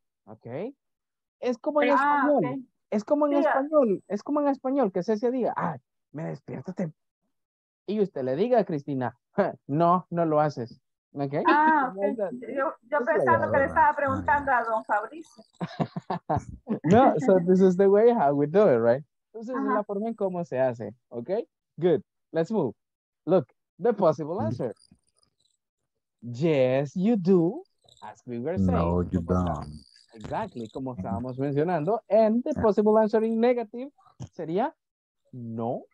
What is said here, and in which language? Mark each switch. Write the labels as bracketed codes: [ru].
[es] ¿Ok? Es como en español. Okay. Es como en español. Es como en español que Cecia diga, ay, me despierto temprano. Y usted le diga a Cristina, no, no lo haces. ¿Ok? [en] Ah, okay. [es] Yo pensaba que le estaba preguntando a don Fabricio. [en] No, so this is the way how we do it, right? [es] Entonces, es la forma en cómo se hace. [en] ¿Ok? Good. Let's move. Look, the possible answer. Yes, you do. As we were saying. No, you don't. Exactly, [es] como estábamos mencionando. [en] And the possible answer in negative sería no.